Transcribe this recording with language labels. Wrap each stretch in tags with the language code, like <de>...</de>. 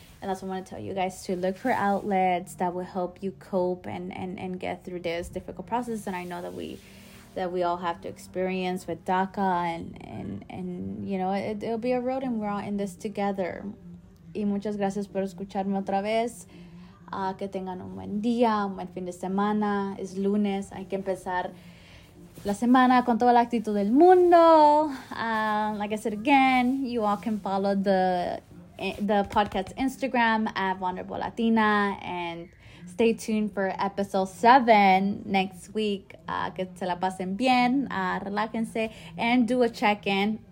<en>And that's what I want to tell you guys, to look for outlets that will help you cope and get through this difficult process. And I know that we all have to experience with DACA and you know, it'll be a road, and we're all in this together.</en> <es>Y muchas gracias por escucharme otra vez. Que tengan un buen día, un buen fin de semana. Es lunes, hay que empezar la semana con toda la actitud del mundo.</es> <en>Like I said again, you all can follow the podcast Instagram @vulnerablelatina, and stay tuned for episode 7 next week.</en> <es>Que se la pasen bien, relájense,</es> <en>and do a check-in.</en>